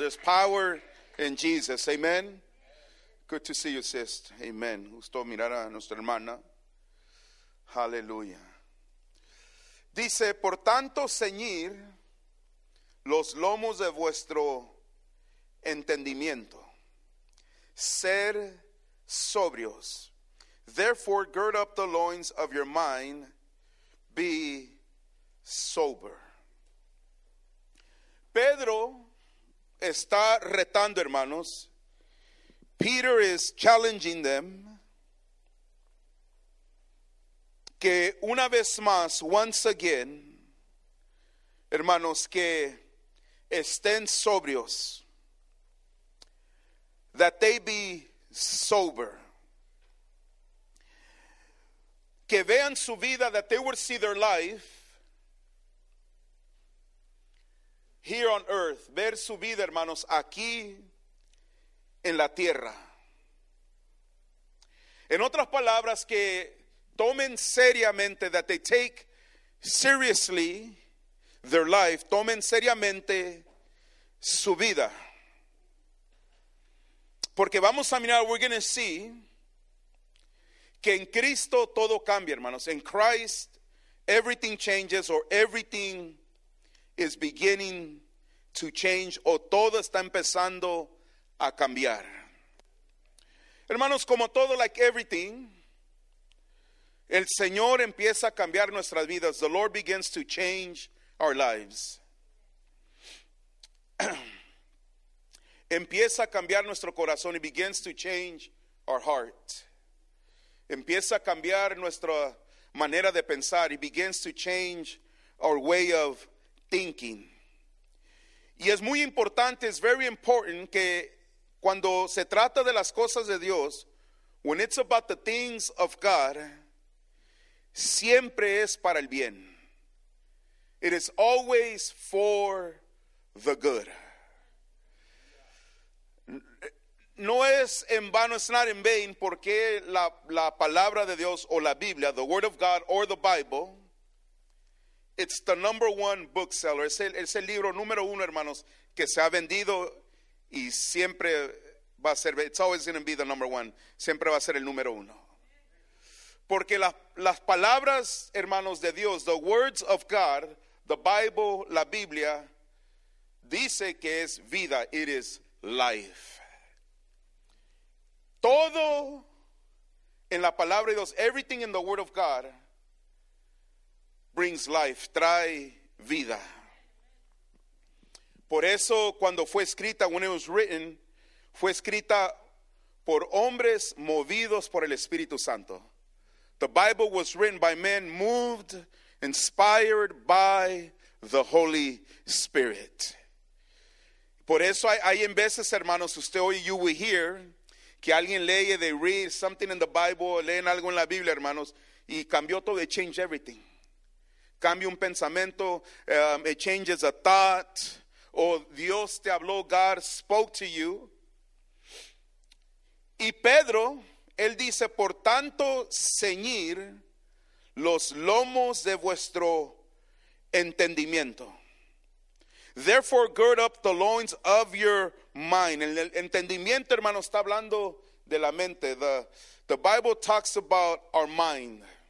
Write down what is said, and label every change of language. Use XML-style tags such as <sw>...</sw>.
<en>There's power in Jesus. Amen. Good to see you, sister. Amen.</en> <es>Gusto mirar a nuestra hermana. Aleluya. Dice, por tanto, ceñir los lomos de vuestro entendimiento. Ser sobrios.</es> <en>Therefore, gird up the loins of your mind. Be sober.</en> <es>Pedro está retando, hermanos.</es> <en>Peter is challenging them.</en> <es>Que una vez más,</es> <en>once again,</en> <es>hermanos, que estén sobrios.</es> <en>That they be sober.</en> <es>Que vean su vida,</es> <en>that they will see their life here on earth.</en> <es>Ver su vida, hermanos, aquí en la tierra. En otras palabras, que tomen seriamente,</es> <en>that they take seriously their life.</en> <es>Tomen seriamente su vida. Porque vamos a mirar,</es> <en>we're going to see,</en> <es>que en Cristo todo cambia, hermanos.</es> <en>In Christ, everything changes, or everything is beginning to change,</en> <es>o todo está empezando a cambiar. Hermanos, como todo,</es> <en>like everything,</en> <es>el Señor empieza a cambiar nuestras vidas.</es> <en>The Lord begins to change our lives.</en> <es>Empieza a cambiar nuestro corazón.</es> <en>It begins to change our heart.</en> <es>Empieza a cambiar nuestra manera de pensar.</es> <en>It begins to change our way of thinking.</en> <es>Y es muy importante,</es> <en>it's very important,</en> <es>que cuando se trata de las cosas de Dios,</es> <en>when it's about the things of God,</en> <es>siempre es para el bien.</es> <en>It is always for the good.</en> <es>No es en vano,</es> <en>it's not in vain,</en> <es>porque la palabra de Dios o la Biblia,</es> <en>the word of God or the Bible, it's the number one bookseller.</en> <es>Es el libro número uno, hermanos, que se ha vendido y siempre va a ser,</es> <en>it's always going to be the number one,</en> <es>siempre va a ser el número uno. Porque las palabras, hermanos, de Dios,</es> <en>the words of God, The Bible,</en> <es>la Biblia, dice que es vida.</es> <en>It is life.</en> <es>Todo en la palabra de Dios,</es> <en>everything in the word of God, brings life,</en> <es>trae vida. Por eso cuando fue escrita,</es> <en>when it was written,</en> <es>fue escrita por hombres movidos por el Espíritu Santo.</es> <en>The Bible was written by men moved, inspired by the Holy Spirit.</en> <es>Por eso hay en veces, hermanos, usted hoy,</es> <en>you will hear,</en> <es>que alguien lee,</es> <en>they read something in the Bible,</en> <es>leen algo en la Biblia, hermanos, y cambió todo,</es> <en>it changed everything.</en> <es>Cambia un pensamiento,</es> <en>it changes a thought,</en> <es>o Dios te habló,</es> <en>God spoke to you.</en> <es>Y Pedro, él dice, por tanto, ceñir los lomos de vuestro entendimiento.</es> <en>Therefore, gird up the loins of your mind.</en> <es>El entendimiento, hermano, está hablando de la mente.</es> <en>The Bible talks about our mind.</en>